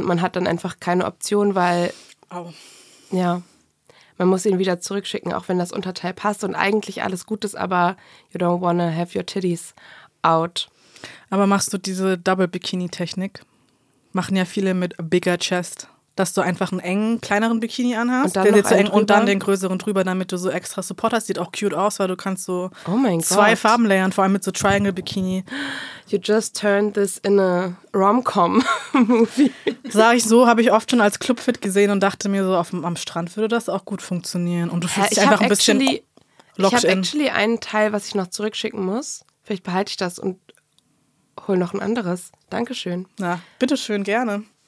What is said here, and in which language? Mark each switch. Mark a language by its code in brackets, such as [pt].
[de] Und man hat dann einfach keine Option, weil man muss ihn wieder zurückschicken, auch wenn das Unterteil passt und eigentlich alles gut ist, aber [en] you don't wanna have your titties out. [de] Aber machst du diese Double-Bikini-Technik? Machen ja viele mit [en] bigger chest, [de] dass du einfach einen engen, kleineren Bikini anhast, der sitzt so eng und dann den größeren drüber, damit du so extra Support hast. Sieht auch cute aus, weil du kannst so zwei Farben layern, vor allem mit so Triangle-Bikini. [en] You just turned this in a Rom-Com-Movie. [de] Sag ich so, habe ich oft schon als Clubfit gesehen und dachte mir so, am Strand würde das auch gut funktionieren. Und du fühlst dich einfach ein bisschen locked in. Ich habe actually einen Teil, was ich noch zurückschicken muss. Vielleicht behalte ich das und hol noch ein anderes. Dankeschön. Na, bitteschön, gerne.